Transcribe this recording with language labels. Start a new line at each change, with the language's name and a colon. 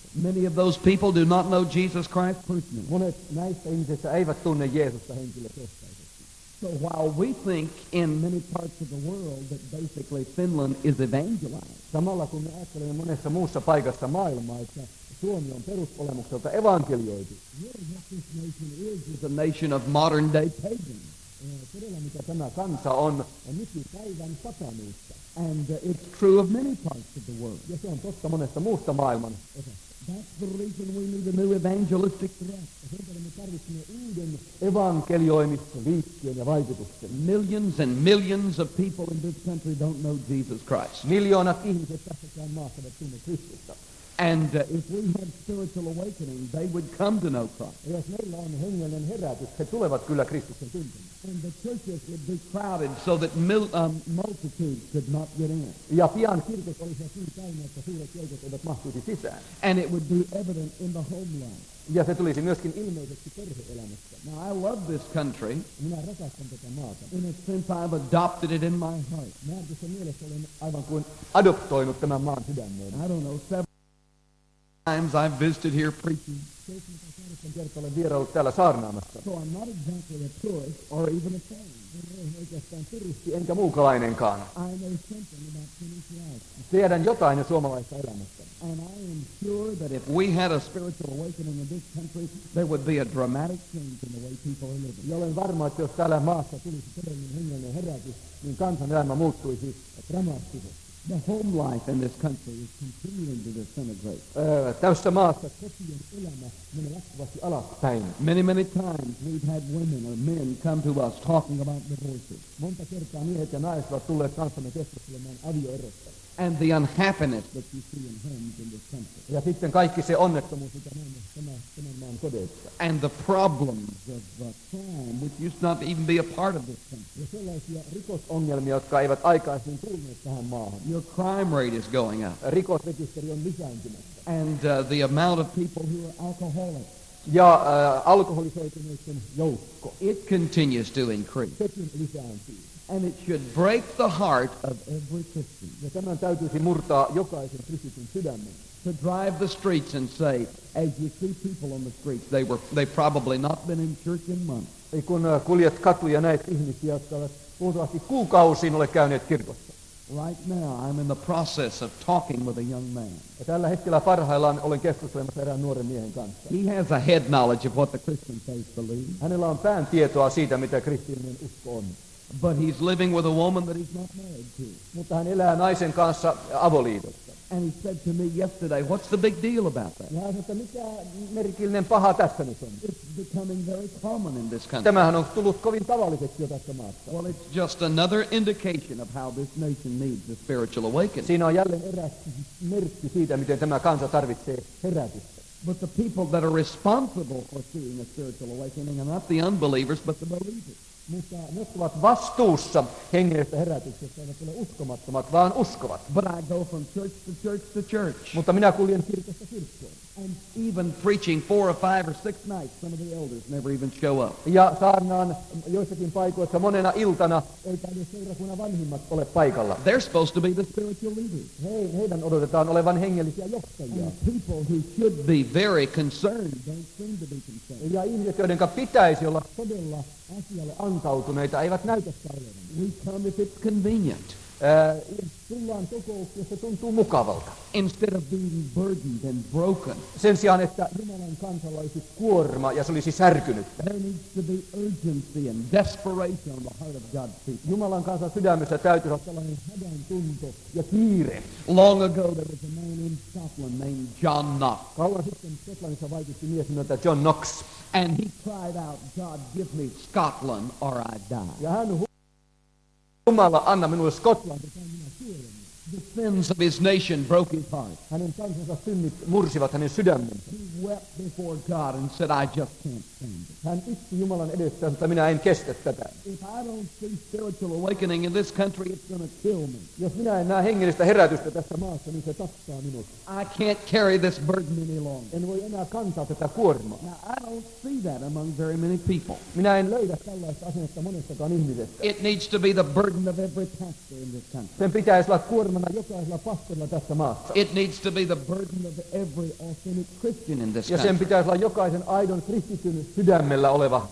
English: Many of those people do not know Jesus Christ personally.
Finnish: Monet näistä ihmisistä eivät tunne Jeesusta henkilökohtaisesti.
English: So while we think in many parts of the world that basically Finland is evangelized,
Finnish: samalla kun me ajattelemme monessa muussa paikassa maailmaa, että Suomi on perusolemukselta evankelioitu.
English: This nation is a nation of modern day pagans.
Finnish: Todella, mitä tämä kansa on, nykypäivän satanuutta.
English: And it's true of many parts of the world.
Finnish: Ja se on totta monesta muusta maailman.
English: That's the reason we need a new evangelistic thrust.
Finnish: Sen takia me tarvitsemme uuden evankelioimisliikkeen ja vaikutuksen.
English: Millions and millions of people in this country don't know Jesus Christ.
Finnish: Miljoonat ihmiset tässäkään maassa eivät tunne Kristusta.
English: And if we had spiritual awakening, they would come to know Christ.
Finnish: Jos meillä on hengellinen herätys, he tulevat kyllä Kristuksen tuntemaan.
English: And the churches would be crowded so that multitudes could not get in.
Finnish: Ja pian kirkot olisivat niin täynnä, että suuret joukot eivät mahtuisi sisään.
English: And it would be evident in the homeland.
Finnish: Ja se tulisi myöskin ilmeisesti perhe-elämässä.
English: Now I love this country.
Finnish: Minä rakastan tätä maata.
English: In a sense I've adopted it in my heart.
Finnish: Minä tässä mielessä olen aivan kuin adoptoinut tämän maan sydämeen.
English: I don't know, times I've visited here preaching. So I'm not exactly a tourist or even a foreigner. I know something about Finnish life.
Finnish: Tiedän jotain suomalaista elämästä.
English: And I am sure that if we had a spiritual awakening in this country, there would be a dramatic change in the way people are living.
Finnish: Olen varma, että jos täällä maassa tulisi todellinen hengellinen herätys, niin kansan elämä muuttuisi dramaattisesti.
English: The home life in this country is continuing to disintegrate.
Finnish: Tässä maassa kotien elämä menee jatkuvasti alaspäin.
English: Many, many times we've had women or men come to us talking about divorces.
Finnish: Monta kertaa miehet ja naiset ovat tulleet kanssamme keskustelemaan avioerosta.
English: And the unhappiness that you see in homes in this country.
Finnish: Ja sitten kaikki se onnettomuus, mitä näemme tämän maan kodeissa.
English: And the problems of the crime, which used not even be a part of this country.
Finnish: Ja sellaisia rikosongelmia, jotka eivät aikaisemmin tulleet tähän maahan.
English: Your crime rate is going up.
Finnish: Rikosrekisteri on lisääntymässä.
English: And the amount of people who are alcoholics.
Finnish: Ja alkoholisoitumisen joukko.
English: It continues to increase.
Finnish: Sekin lisääntyy.
English: And it should break the heart of every Christian.
Finnish: Ja tämän täytyisi murtaa jokaisen kristityn sydämen.
English: To drive the streets and say, as you see people on the streets, they probably not been in church in months.
Finnish: Ei kun kuljet katuja näet ihmisiä, jotka ovat luultavasti kuukausiin ole käyneet kirkossa.
English: Right now, I'm in the process of talking with a young man.
Finnish: Ja tällä hetkellä parhaillaan olen keskustelemassa erään nuoren miehen kanssa.
English: He has a head knowledge of what the Christian faith believes.
Finnish: Hänellä on pään tietoa siitä, mitä kristillinen usko on.
English: But he's living with a woman that he's not married to.
Finnish: Mutta hän elää naisen kanssa avoliitossa.
English: And he said to me yesterday, what's the big deal about that?
Finnish: Ja hän sanoi, että mikä merkillinen paha tässä nyt on?
English: It's becoming very common in this country.
Finnish: Tämähän on tullut kovin tavalliseksi jo tässä maassa.
English: Well, it's just another indication of how this nation needs a spiritual awakening.
Finnish: Siinä on jälleen eräs merkki siitä, miten tämä kansa tarvitsee herätystä.
English: But the people that are responsible for seeing a spiritual awakening are not the unbelievers, but the believers.
Finnish: Mutta ne ovat vastuussa hengellisestä herätyksestä, eivät ole uskomattomat, vaan uskovat.
English: But I go from church to church to church.
Finnish: Mutta minä kuljen kirkosta kirkkoon.
English: And even preaching four or five or six nights, some of the elders never even show up.
Finnish: Ja saarnaan joissakin paikoissa monena iltana. Ei tainu seurakunnan vanhimmat ole paikalla.
English: They're supposed to be the spiritual leaders.
Finnish: Heidän odotetaan olevan hengellisiä johtajia.
English: And people who should be very concerned don't seem to be concerned.
Finnish: Ja ihmiset, joidenka pitäisi olla todella asialle antautuneita, eivät näytä sairaan.
English: We come if it's convenient.
Finnish: Tullaan kokouksia, se tuntuu mukavalta.
English: Instead of being burdened and broken.
Finnish: Sen sijaan, että Jumalan kansalla olisi kuorma ja se olisi särkynyt.
English: There needs to be urgency and desperation on the heart of God's people.
Finnish: Jumalan kansan sydämessä täytyy olla sellainen hädän tunto ja kiire.
English: Long ago there was a man in Scotland named John Knox.
Finnish: Kauan sitten Skotlannissa vaikutti mies nimeltä John Knox.
English: And he cried out, God give me Scotland or I die.
Finnish: Ja hän Jumala, anna minulle Skotlanti.
English: The sins of his nation broke his heart.
Finnish: Hänen kansansa synnit mursivat hänen sydämen.
English: He wept before God and said, I just can't stand it.
Finnish: Hän itki Jumalan edessä, että minä en kestä tätä.
English: If I don't see spiritual awakening in this country, it's going to kill me.
Finnish: Jos minä en näe hengellistä herätystä tässä maassa, niin se tappaa minut.
English: I can't carry this burden any longer.
Finnish: En voi enää kantaa tätä kuormaa.
English: Now, I don't see that among very many people.
Finnish: Minä en löydä tällaista asennetta monestakaan ihmisestä.
English: It needs to be the burden of every pastor in this country.
Finnish: Sen pitäisi olla kuorma. Jokaisella pastorilla tässä maassa.
English: It needs to be the burden of every authentic Christian in this country.
Finnish: Ja sen pitäisi olla jokaisen aidon kristityn sydämellä oleva